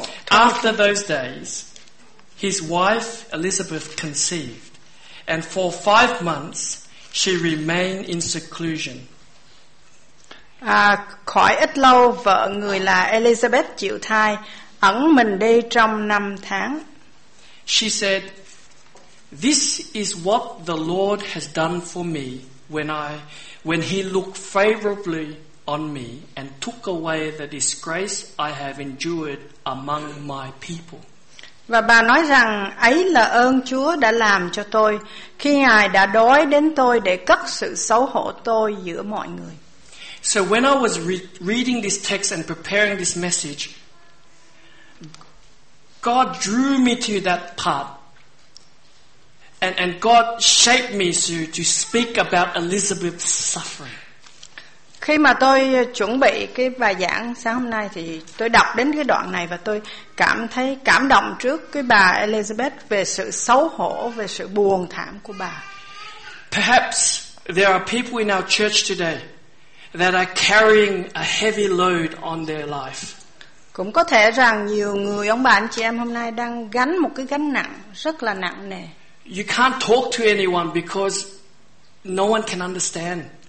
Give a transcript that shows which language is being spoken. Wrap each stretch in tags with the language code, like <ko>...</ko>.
<en>After those days, his wife Elizabeth conceived, and for 5 months she remained in seclusion.</en> <vi>Khỏi ít lâu, vợ người là Elizabeth chịu thai, ẩn mình đi trong 5 tháng.</vi> <en>She said, "This is what the Lord has done for me when he looked favorably on me and took away the disgrace I have endured among my people."</en> <vi>Và bà nói rằng ấy là ơn Chúa đã làm cho tôi khi Ngài đã đói đến tôi để cất sự xấu hổ tôi giữa mọi người.</vi> <en>So when I was reading this text and preparing this message, God drew me to that part. And God shaped me to speak about Elizabeth's suffering.</en> <vi>Khi mà tôi chuẩn bị cái bài giảng sáng hôm nay thì tôi đọc đến cái đoạn này và tôi cảm thấy cảm động trước cái bà Elizabeth về sự xấu hổ, về sự buồn thảm của bà.</vi> <en>Perhaps there are people in our church today that are carrying a heavy load on their life.</en> <vi>Cũng có thể rằng nhiều người ông bà anh chị em hôm nay đang gánh một cái gánh nặng rất là nặng nề.</vi> <en>You can't talk to anyone because no one can understand.</en>